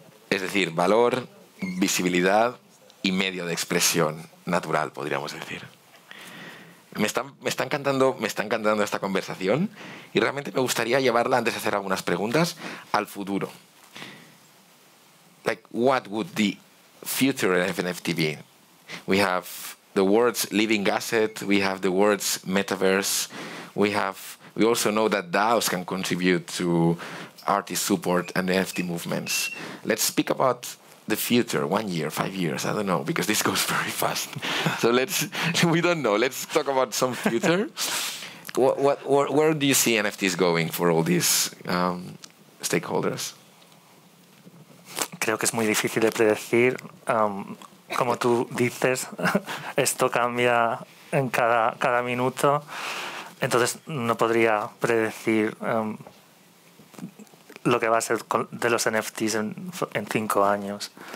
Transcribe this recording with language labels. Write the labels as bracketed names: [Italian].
[Spanish] Es decir, valor, visibilidad y medio de expresión natural, podríamos decir. Me está encantando esta conversación y realmente me gustaría llevarla, antes de hacer algunas preguntas, al futuro. [English] Like, what would the future of NFT be? We have the world's living asset, we have the world's metaverse, we also know that DAOs can contribute to artist support and NFT movements. Let's speak about the future, 1 year, 5 years, I don't know, because this goes very fast. So let's talk about some future. where do you see NFTs going for all these stakeholders? [Spanish] Creo que es muy difícil de predecir. Como tú dices, esto cambia en cada minuto. Entonces, no podría predecir lo que va a ser de los NFTs en 5 años.